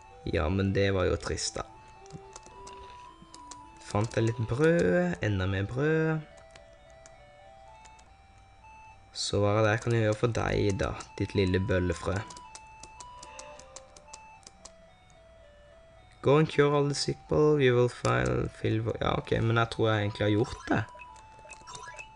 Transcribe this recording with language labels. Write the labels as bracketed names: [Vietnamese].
[Norwegian] Ja, men det var jo trist da. Fant jeg litt brød, enda mer brød. Så hva er det jeg kan gjøre for deg da, ditt lille bøllefrø? [English] Go and cure all the sick people, you will find fill... [Norwegian] Ja, ok, men jeg tror jeg egentlig har gjort det.